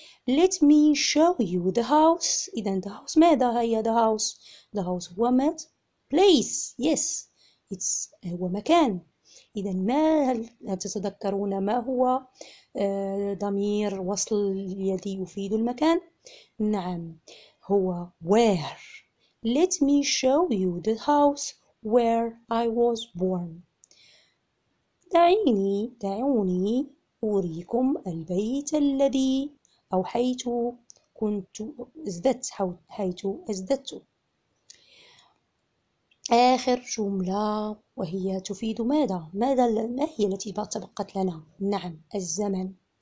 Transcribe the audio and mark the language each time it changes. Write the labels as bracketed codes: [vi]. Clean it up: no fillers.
[en] Let me show you the house. [ar] إذن [en] the house ماذا؟ هي the house. The house [ar] هو مات [en] place. Yes. It's [ar] هو مكان. إذن ما هل تتذكرون ما هو ضمير وصل الذي يفيد المكان؟ نعم، هو where. [en] Let me show you the house where I was born. [ar] دعوني أريكم البيت الذي أو حيث كنت أزددت، حيث أزددت. آخر جملة وهي تفيد ماذا؟ ما هي التي تبقت لنا؟ نعم، الزمن.